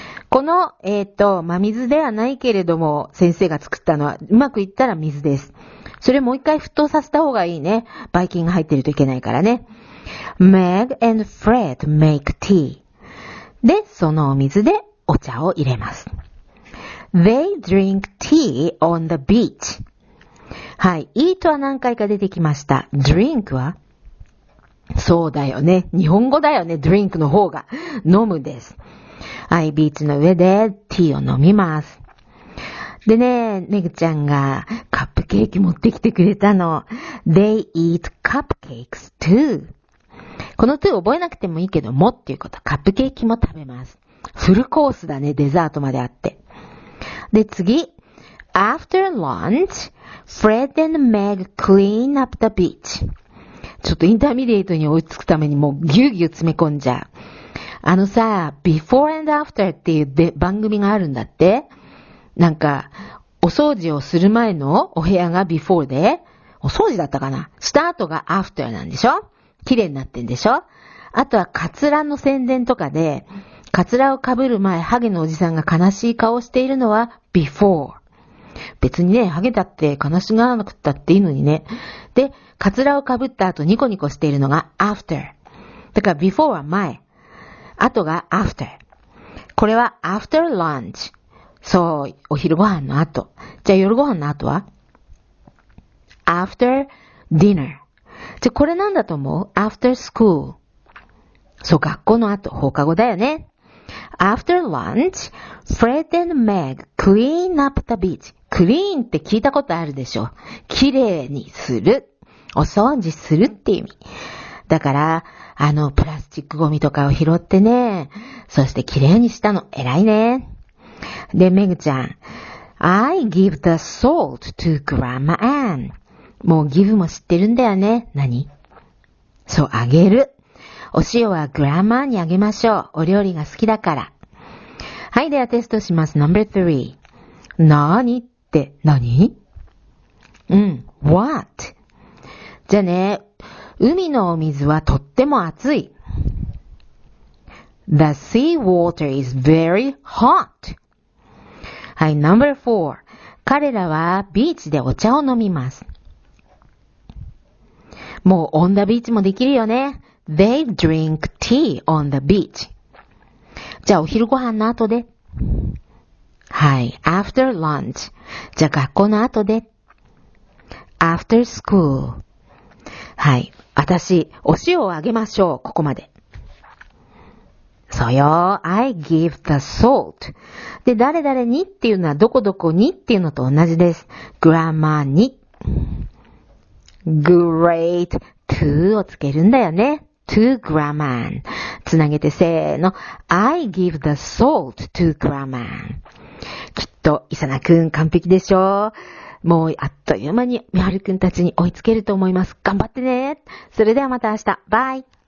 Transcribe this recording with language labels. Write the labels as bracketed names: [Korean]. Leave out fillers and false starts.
[Japanese] この、まあ、水ではないけれども、先生が作ったのは、うまくいったら水です。それもう一回沸騰させた方がいいね。バイキンが入ってるといけないからね。 [English] Meg and Fred make tea。 [Japanese] で、そのお水でお茶を入れます。 [English] They drink tea on the beach。 [Japanese] はい。 eat は何回か出てきました。 drink は？そうだよね。日本語だよね。drink の方が。飲むです。はい。ビーチの上で tea を飲みます。でね、メグちゃんがカップケーキ持ってきてくれたの。 [English] They eat cupcakes too。 [Japanese] この to 覚えなくてもいいけど、もっていうこと。カップケーキも食べます。フルコースだね。デザートまであって。で、次。 [English] After lunch, Fred and Meg clean up the beach. [Japanese] ちょっとインターミディエイトに追いつくためにもうギュギュ詰め込んじゃう。あのさ、Before and After っていう番組があるんだって。なんか、お掃除をする前のお部屋が Before で、お掃除だったかな。スタートが After なんでしょ？綺麗になってんでしょ？あとはカツラの宣伝とかで、カツラをかぶる前、ハゲのおじさんが悲しい顔をしているのは Before。別にね、ハゲだって悲しがらなくったっていいのにね。で、カツラをかぶった後ニコニコしているのが after。だから before は前。後が after。これは [English] after lunch。 [Japanese] そう、お昼ご飯の後。じゃあ夜ご飯の後は [English] after dinner。 [Japanese] じゃあこれなんだと思う ? [English] after school。 [Japanese] そう、学校の後、放課後だよね。 [English] After lunch, Fred and Meg clean up the beach. [Japanese] Clean って聞いたことあるでしょ。綺麗にする。お掃除するって意味。だから、プラスチックゴミとかを拾ってね、そして綺麗にしたの、偉いね。で、メグちゃん。 [English] I give the salt to Grandma Anne. [Japanese] もうギブも知ってるんだよね。何？そう、あげる。お塩はグランマーにあげましょう。お料理が好きだから。はい、ではテストします。 No.3。 何って何？うん、What? じゃあね、海のお水はとっても熱い。 [English] The sea water is very hot. [Japanese] はい、No.4。彼らはビーチでお茶を飲みます。もうオンザビーチもできるよね。 [English] They drink tea on the beach. [Japanese] じゃあお昼ご飯の後で。はい。 [English] After lunch. [Japanese] じゃあ学校の後で。 [English] After school. はい。 [Japanese] 私、お塩をあげましょう。ここまで。そうよ。 [English] I give the salt. [Japanese] で、誰々にっていうのはどこどこにっていうのと同じです。 Grandma に。 Great to をつけるんだよね。 [English] to grandma. [Japanese] つなげてせーの。 [English] I give the salt to grandma. [Japanese] きっと、イサナくん完璧でしょ？もうあっという間にミハルくんたちに追いつけると思います。頑張ってね。それではまた明日。バイ。